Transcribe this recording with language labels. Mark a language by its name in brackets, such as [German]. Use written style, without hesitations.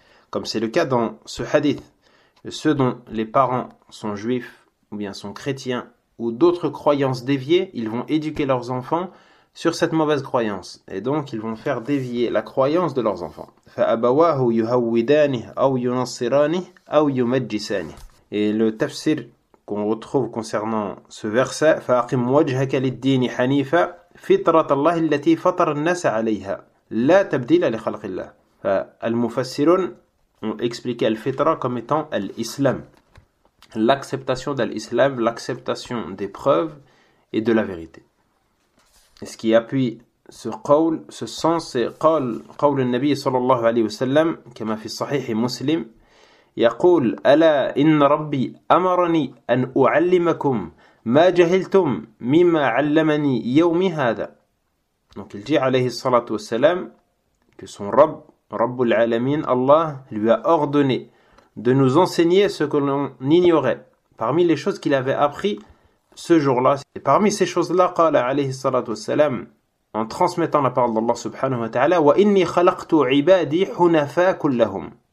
[French] Comme c'est le cas dans ce hadith, ceux dont les parents sont juifs, ou bien sont chrétiens, ou d'autres croyances déviées, ils vont éduquer leurs enfants sur cette mauvaise croyance. Et donc, ils vont faire dévier la croyance de leurs enfants. [Arabic] فَأَبَوَاهُ يُهَوِّدَانِهِ أَوْ يُنَصِرَانِهِ أَوْ يُمَجِّسَانِهِ. [French] Et le tafsir qu'on retrouve concernant ce verset, [Arabic] فَأَقِمْ وَجْهَكَ لِلدِّينِ حَنِيفًا فطرة الله التي فطر الناس عليها لا تبديل لخلق الله. فالمفسرون [French] expliqué [Arabic] الفطرة [French] comme étant [Arabic] الإسلام. [French] L'acceptation de l'islam, l'acceptation des preuves et de la vérité. Et ce qui appuie ce [Arabic] قول, [French] ce sens, c'est [Arabic] قول النبي صلى الله عليه وسلم كما في الصحيح مسلم. يقول: ألا إن ربي أمرني أن أعلمكم ما جهلتم مما علمني يومي هذا. [French] Donc il dit alayhi salatu wassalam que son Rabb, Rabbul Alamin, Allah, lui a ordonné de nous enseigner ce que l'on ignorait parmi les choses qu'il avait appris ce jour-là. Et parmi ces choses-là, qala alayhi salatu wassalam, en transmettant la parole d'Allah subhanahu wa ta'ala, [Arabic] wa inni khalaqtu ibadi hunafa kullahum.